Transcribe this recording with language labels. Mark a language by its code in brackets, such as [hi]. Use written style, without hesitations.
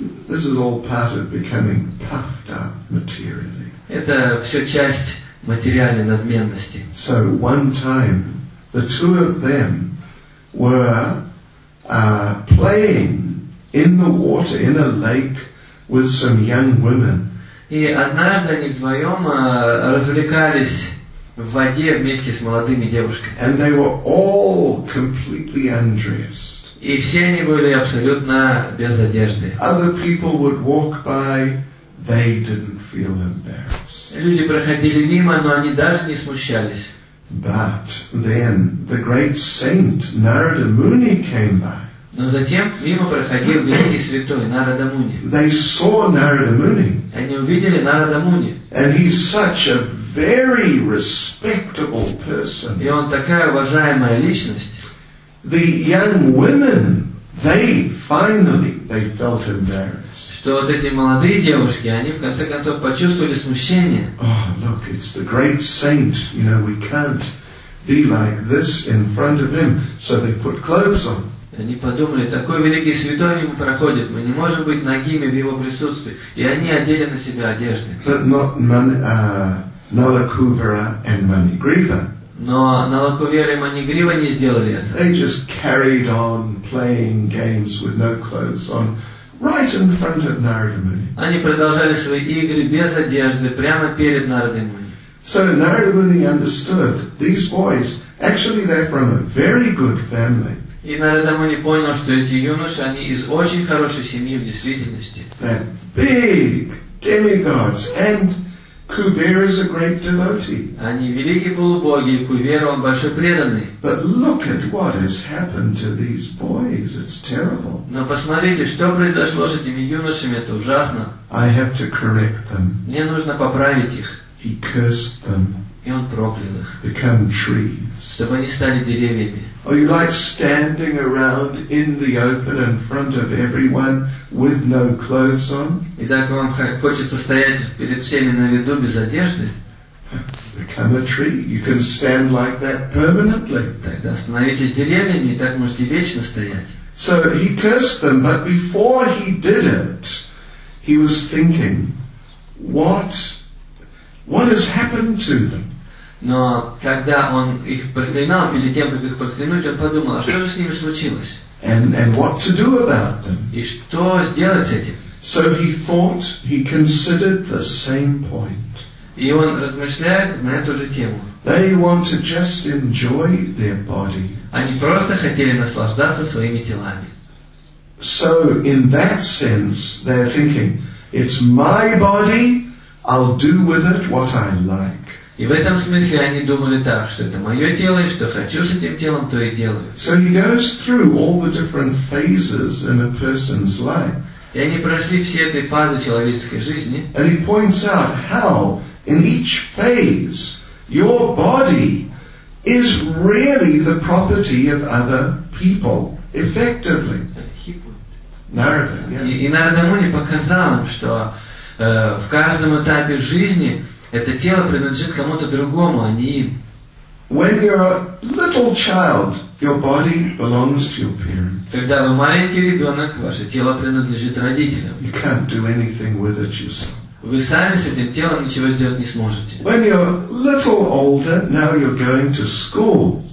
[en] This is all part of becoming puffed up materially. [ru] Это все часть материальной надменности. [en] So one time, the two of them were playing in the water in a lake with some young women. [ru] И однажды они вдвоем развлекались в воде вместе с молодыми девушками. [en] And they were all completely undressed. [ru] И все они были абсолютно без одежды. [en] Other people would walk by. They didn't feel embarrassed. [ru] Люди проходили мимо, но они даже не смущались. [en] But then the great saint Narada Muni came by. [ru] Но затем мимо проходил великий святой Нарада Муни. [en] They saw Narada Muni. [ru] Они увидели Нарада Муни. [en] And he's such a very respectable person. [ru] И он такая уважаемая личность. [en] The young women, they finally, they felt embarrassed. [ru] Что вот эти молодые девушки, они в конце концов почувствовали смущение. [en] Oh, look, it's the great saint. You know, we can't be like this in front of him. So they put clothes on. [ru] Они подумали, такой великий святой ему проходит, мы не можем быть нагими в его присутствии. И они одели на себя одежды. [en] But not Nalakuvera and Manigriva. [ru] Но Налакувера и Манигрива не сделали это. [en] They just carried on playing games with no clothes on, right in front of Narada Muni. [ru] Они продолжали свои игры без одежды, прямо перед Нарадой Муни. [en] So Narada Muni understood, these boys, actually they're from a very good family. [ru] И Нарада Муни понял, что эти юноши, они из очень хорошей семьи в действительности. [en] They're big demigods, and Kuvera is a great devotee. [ru] Они великие полубоги, и Кувера, он большой преданный. [en] But look at what has happened to these boys. It's terrible. [ru] Но посмотрите, что произошло с этими юношами, это ужасно. [en] I have to correct them. [ru] Мне нужно поправить их. [en] He cursed them. [ru] И он проклял их. [en] Become trees. [ru] Чтобы они стали деревьями. [en] Are you like standing around in the open in front of everyone with no clothes on? [ru] Итак, вам хочется стоять перед всеми на виду без одежды? [en] Become a tree. You can stand like that permanently. [ru] Тогда становитесь деревьями, и так можете вечно стоять. [en] So he cursed them, but before he did it, he was thinking, what has happened to them? [ru] Но когда он их проклинал, перед тем, как их проклянуть, он подумал, а что же с ними случилось? [en] And what to do about them? [ru] И что сделать с этим? [en] So he thought, he considered the same point. [ru] И он размышляет на эту же тему. [en] They want to just enjoy their body. [ru] Они просто хотели наслаждаться своими телами. [en] So in that sense, they're thinking, it's my body, I'll do with it what I like. [ru] И в этом смысле они думали так, что это мое тело, и что хочу с этим телом, то и делаю. [en] So he goes through all the different phases in a person's life. [ru] И они прошли все эти фазы человеческой жизни. [en] And he points out how in each phase your body is really the property of other people, effectively. Narada, yeah. [ru] И Нарада Муни показал им, что в каждом этапе жизни это тело принадлежит кому-то другому, а не им. [en] When you're a little child, your body belongs to your parents. [ru] Когда вы маленький ребенок, ваше тело принадлежит родителям. [en] You can't do anything with it yourself. [ru] Вы сами с этим телом ничего сделать не сможете. [en] When you're a little older, now you're going to school.